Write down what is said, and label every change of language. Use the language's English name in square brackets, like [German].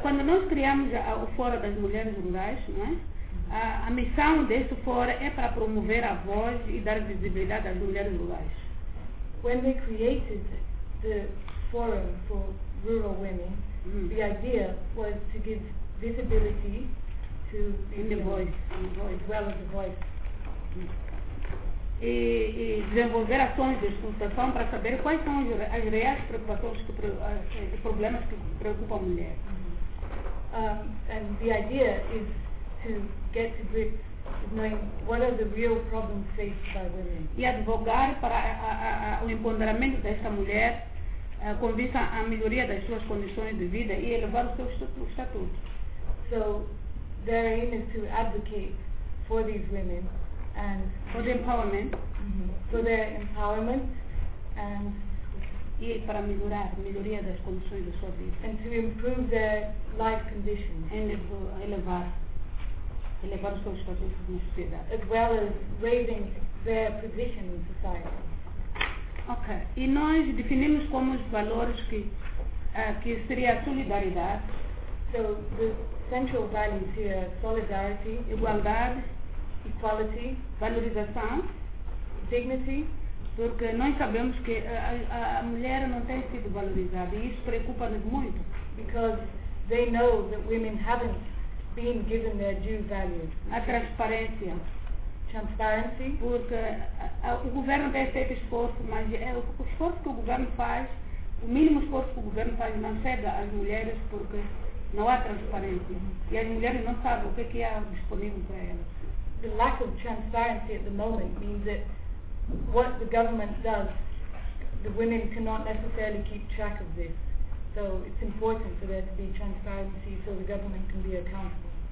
[Portuguese] Quando nós criamos o Fórum das Mulheres Rurais, não é? A missão deste fórum é para promover a voz e dar visibilidade às mulheres rurais. [English] When we created the forum for rural women, the idea was to give visibility to the voice, as well as the voice. [Portuguese] E desenvolver ações de consultação para saber quais são as reais preocupações, os problemas que preocupam a mulher. [English] And the idea is to get to grips with knowing what are the real problems faced by women. [Portuguese] E advogar para o empoderamento desta mulher com vista à melhoria das suas condições de vida e elevar o seu estatuto. [English] So, their aim is to advocate for these women and for the empowerment. For their empowerment and [Portuguese] e para melhoria das condições de sua vida. [English] And to improve their life conditions. And to [Portuguese] elevar os seus estatutos na sociedade. [English] As well as raising their position in society. Ok. [Portuguese] E nós definimos como os valores que seria a solidariedade. [English] So, the central values here are solidarity, [Portuguese] igualdade, [English] equality, [Portuguese] valorização, [English] dignity. [Portuguese] Porque nós sabemos que a mulher não tem sido valorizada e isso preocupa-nos muito. [English] Because they know that women haven't being given their due value. [Portuguese] A transparência. [English] Transparency. [Portuguese] Porque o governo tem feito esforço, mas o esforço que o governo faz, o mínimo esforço que o governo faz, não chega às mulheres porque não há transparência. E as mulheres não sabem o que é que há disponível para elas. [English] The lack of transparency at the moment means that what the government does the women cannot necessarily keep track of this. So it's important for there to be transparency so the government can be accountable.